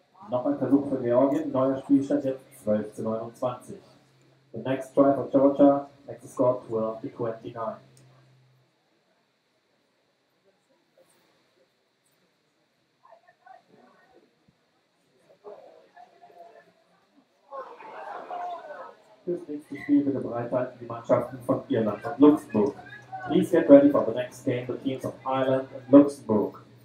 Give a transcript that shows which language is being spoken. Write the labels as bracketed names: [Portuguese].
[German] Noch ein Versuch für Georgien, neuer Spielstand jetzt 12 zu 29. [English] The next try for Georgia, makes the score 12 to 29. [German] Fürs nächste Spiel bitte bereithalten die Mannschaften von Irland und Luxemburg. [English] Please get ready for the next game, the teams of Ireland and Luxemburg.